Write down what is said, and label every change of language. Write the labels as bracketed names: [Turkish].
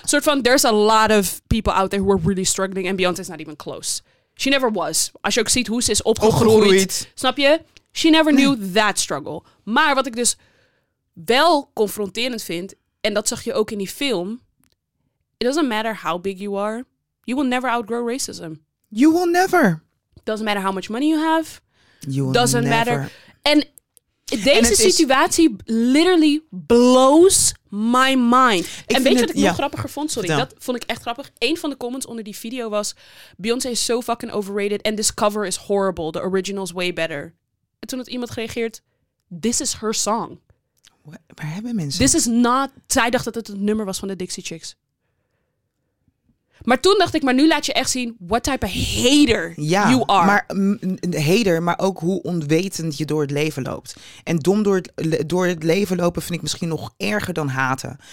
[Dutch] Soort van, [English] there's a lot of people out there who are really struggling. And Beyoncé is not even close. She never was. [Dutch] Als je ook ziet hoe ze is opgegroeid. Snap je? [English] She never knew that struggle. [Dutch] Maar wat ik dus wel confronterend vind, en dat zag je ook in die film, [English] it doesn't matter how big you are, you will never outgrow racism. You will never. Doesn't matter how much money you have. You will doesn't never. Doesn't matter. [Dutch] En deze situatie [English] literally blows my mind. [Dutch] En weet je wat ik nog grappiger vond? Sorry, dat vond ik echt grappig. Eén van de comments onder die video was, [English] Beyoncé is so fucking overrated and this cover is horrible. The original is way better. [Dutch] En toen had iemand gereageerd, [English] this is her song. [Dutch] Waar hebben mensen? [English] This is not, [Dutch] zij dacht dat het het nummer was van de Dixie Chicks. Maar toen dacht ik, maar nu laat je echt zien [English] what type of hater you are. [Dutch] Maar hater, maar ook hoe onwetend je door het leven loopt. En dom door het leven lopen vind ik misschien nog erger dan haten.